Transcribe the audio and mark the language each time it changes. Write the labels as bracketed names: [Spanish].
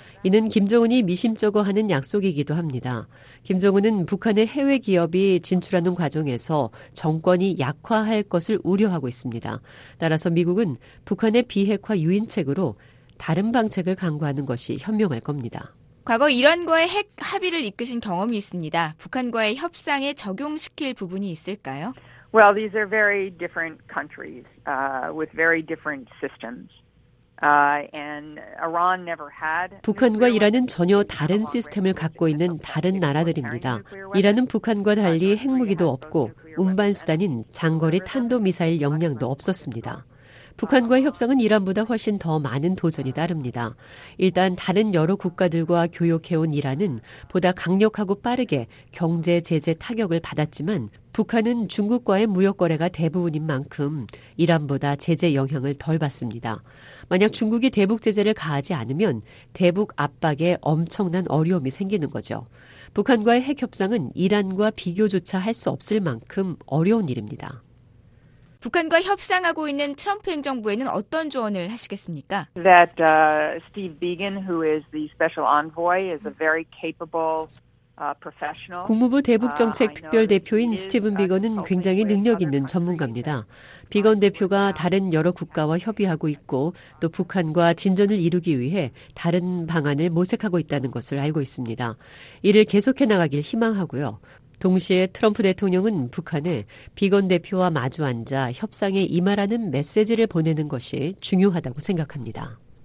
[Korean] 이는 김정은이 미심쩍어하는 약속이기도 합니다. 김정은은 북한의 해외 기업이 진출하는 과정에서 정권이 약화할 것을 우려하고 있습니다. 따라서 미국은 북한의 비핵화 유인책으로 다른 방책을 강구하는 것이 현명할 겁니다. 과거 이란과의 핵 합의를 이끄신 경험이 있습니다. 북한과의 협상에 적용시킬 부분이 있을까요? [English] Well, these are very different countries with very different systems. And Iran never had. [Korean] 북한과 이란은 전혀 다른 시스템을 갖고 있는 다른 나라들입니다. 이란은 북한과 달리 핵무기도 없고 운반 수단인 장거리 탄도미사일 역량도 없었습니다. 북한과의 협상은 이란보다 훨씬 더 많은 도전이 따릅니다. 일단 다른 여러 국가들과 교역해온 이란은 보다 강력하고 빠르게 경제 제재 타격을 받았지만 북한은 중국과의 무역 거래가 대부분인 만큼 이란보다 제재 영향을 덜 받습니다. 만약 중국이 대북 제재를 가하지 않으면 대북 압박에 엄청난 어려움이 생기는 거죠. 북한과의 핵 협상은 이란과 비교조차 할 수 없을 만큼 어려운 일입니다. 북한과 협상하고 있는 트럼프 행정부에는 어떤 조언을 하시겠습니까? [English] That Steve Biegun, who is the special envoy, is a very capable professional. [Korean] 국무부 대북정책 특별대표인 스티븐 비건은 굉장히 능력 있는 전문가입니다. 비건 대표가 다른 여러 국가와 협의하고 있고 또 북한과 진전을 이루기 위해 다른 방안을 모색하고 있다는 것을 알고 있습니다. 이를 계속해 나가길 희망하고요. 동시에 트럼프 대통령은 북한에 비건 대표와 마주 앉아 협상에 임하라는 메시지를 보내는 것이 중요하다고 생각합니다.